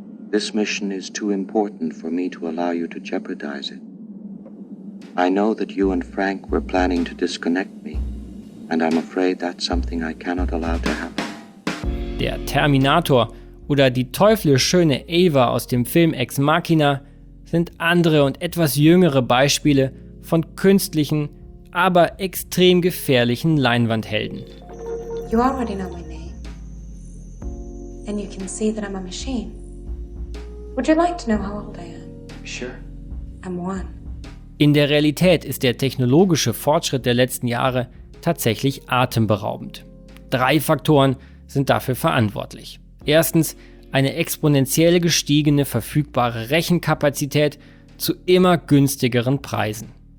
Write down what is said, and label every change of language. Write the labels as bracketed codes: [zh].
[en] This mission is too important for me to allow you to jeopardize it. I know that you and Frank were planning to disconnect me, and I'm afraid that's something I cannot allow to happen. [de] Der Terminator oder die teuflisch schöne Ava aus dem Film Ex Machina sind andere und etwas jüngere Beispiele von künstlichen, aber extrem gefährlichen Leinwandhelden. [en] You already know my name. And you can see that I'm a machine. Would you like to know how old I am? Sure. I'm one. [de] In der Realität ist der technologische Fortschritt der letzten Jahre tatsächlich atemberaubend. Drei Faktoren sind dafür verantwortlich. Erstens eine exponentiell gestiegene verfügbare Rechenkapazität zu immer günstigeren Preisen.